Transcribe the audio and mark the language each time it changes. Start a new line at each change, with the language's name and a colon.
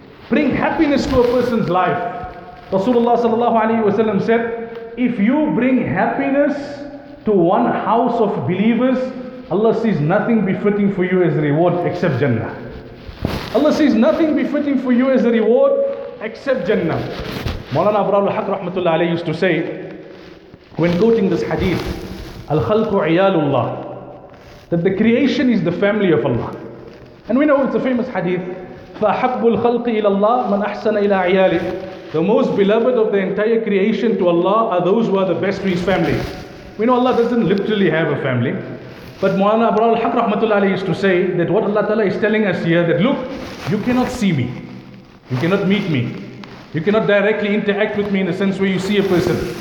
English: Bring happiness to a person's life. Rasulullah sallallahu alayhi wa sallam said, if you bring happiness to one house of believers, Allah sees nothing befitting for you as a reward except Jannah. Allah sees nothing befitting for you as a reward except Jannah. Maulana Abrarul Haq rahmatullah alayhi used to say, when quoting this hadith,
Arabic: Al-Khalqu Iyalullah,
English: that the creation is the family of Allah. And we know it's a famous hadith,
Arabic: فَأَحَبُّ الْخَلْقِ إِلَى اللَّهِ مَنْ أَحْسَنَ إِلَىٰ عِيَالِهِ.
English: The most beloved of the entire creation to Allah are those who are the best to His family. We know Allah doesn't literally have a family, But Mawlana Abrar al-Haq rahmatullah alayhi used to say that what Allah Ta'ala is telling us here, that look, you cannot see me, you cannot meet me, you cannot directly interact with me in the sense where you see a person.